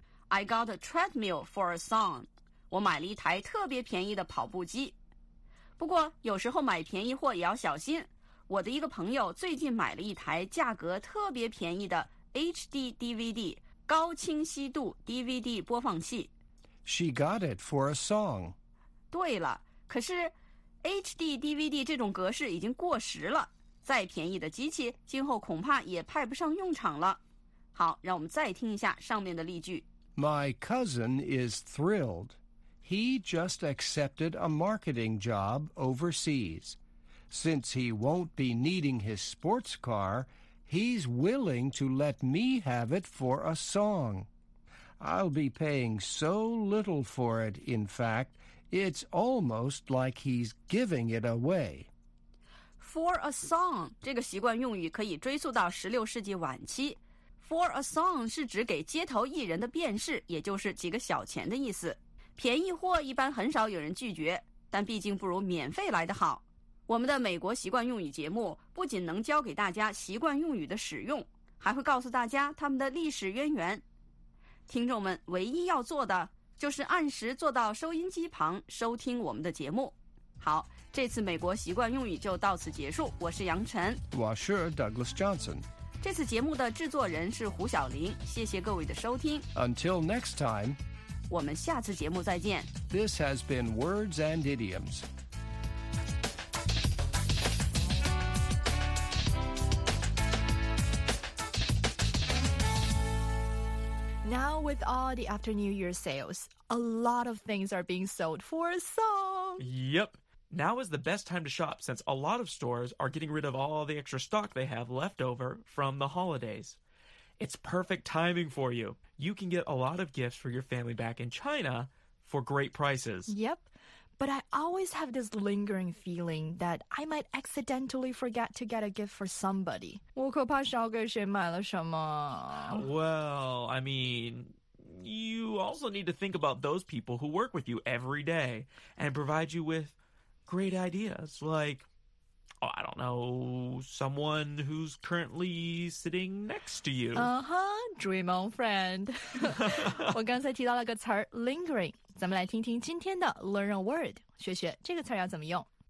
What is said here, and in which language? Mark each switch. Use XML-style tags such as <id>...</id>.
<en>I got a treadmill for a song.</en> <zh>我买了一台特别便宜的跑步机。不过，有时候买便宜货也要小心。我的一个朋友最近买了一台价格特别便宜的 HD DVD 高清晰度 DVD 播放器。</zh> <en>She got it for a song.</en> <zh>对了，可是HD DVD 这种格式已经过时了，再便宜的机器今后恐怕也派不上用场了。好，让我们再听一下上面的例句。</zh> <en>My cousin is thrilled. He just accepted a marketing job overseas. Since he won't be needing his sports car, he's willing to let me have it for a song. I'll be paying so little for it, in fact,It's almost like he's giving it away. For a song,</en> <zh>这个习惯用语可以追溯到16世纪晚期。</zh> <en>For a song</en> <zh>是指给街头艺人的便士，也就是几个小钱的意思。便宜货一般很少有人拒绝，但毕竟不如免费来得好。我们的美国习惯用语节目不仅能教给大家习惯用语的使用，还会告诉大家他们的历史渊源。听众们唯一要做的就是按时坐到收音机旁收听我们的节目。好，这次美国习惯用语就到此结束。我是杨晨，我是 Douglas Johnson。这次节目的制作人是胡晓玲。谢谢各位的收听。</zh> <en>Until next time，</en> <zh>我们下次节目再见。</zh> <en>This has been Words and Idioms。 Now with all the after New Year sales, a lot of things are being sold for a song. Yep. Now is the best time to shop since a lot of stores are getting rid of all the extra stock they have left over from the holidays. It's perfect timing for you. You can get a lot of gifts for your family back in China for great prices. Yep. But I always have this lingering feeling that I might accidentally forget to get a gift for somebody.</en> <zh>我可怕少给谁买了什么。</zh> <en>Well, I mean, you also need to think about those people who work with you every day and provide you with great ideas. Like, oh, I don't know, someone who's currently sitting next to you. Uh-huh, dream on friend.</en> <zh>我刚才提到了个词 lingering. 咱们来听听今天的 Learn a Word， 学学这个词要怎么用。</zh>